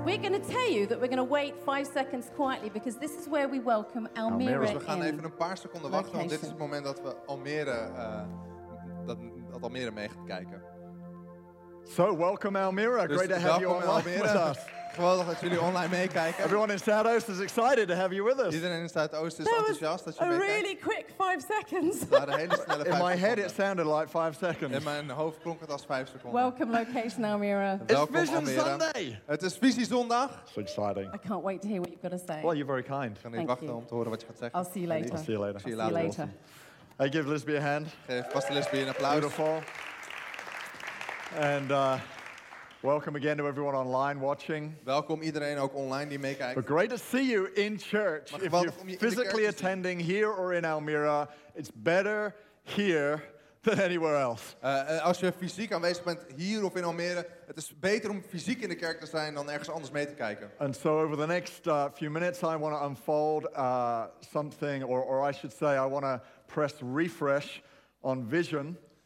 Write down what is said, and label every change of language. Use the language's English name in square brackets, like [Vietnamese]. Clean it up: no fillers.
[English] We're going to tell you that we're going to wait 5 seconds quietly because this is where we welcome Almere. [Dutch] We gaan even een paar seconden wachten, want dit is het moment dat we Almere dat Almere mee gaat kijken. [English] So welcome Almere. Great to have you online with us. [Dutch] Geweldig dat jullie online meekijken. [English] Everyone in Zuidoost is excited to have you with us. [Dutch] Iedereen in Zuidoost is enthousiast dat je meekijkt. [English] A really quick 5 seconds. In my head it sounded like 5 seconds. [Dutch] In mijn hoofd klonk het als 5 seconden. [English] Welcome location Almere. It's Vision Sunday. [Dutch] Het is Visie Zondag. [English] So exciting. I can't wait to hear what you've got to say. Well, you're very kind. [Dutch] Ik ga niet wachten om te horen wat je gaat zeggen. [English] I'll see you later. I'll see you later. I give Lisby a hand. [Dutch] Geef vast Lisby een applaus. [English] Beautiful. And welcome again to everyone online watching. [Dutch] Welkom iedereen ook online die meekijkt. [English] But great to see you in church. If you're physically attending here or in Almere, it's better here than anywhere else. [Dutch] Als je fysiek aanwezig bent hier of in Almere, het is beter om fysiek in de kerk te zijn dan ergens anders mee te kijken. [English] And so over the next few minutes, I want to unfold something, or I should say, I want to press refresh on vision.